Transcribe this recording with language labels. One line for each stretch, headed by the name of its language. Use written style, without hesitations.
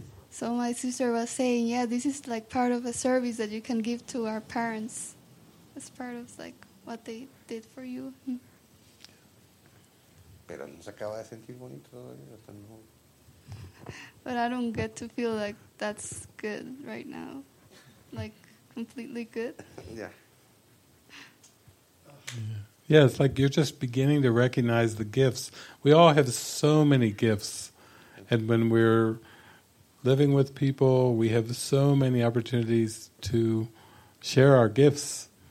English: So my sister was saying, yeah, this is like part of a service that you can give to our parents. As part of like what they did for you.
Spanish: Pero no se acaba de sentir bonito todavía, hasta no.
English: But I don't get to feel like that's good right now. Like completely good. Yeah, it's like you're just beginning to recognize the gifts. We all have so many gifts. And when we're living with people, we have so many opportunities to share our gifts.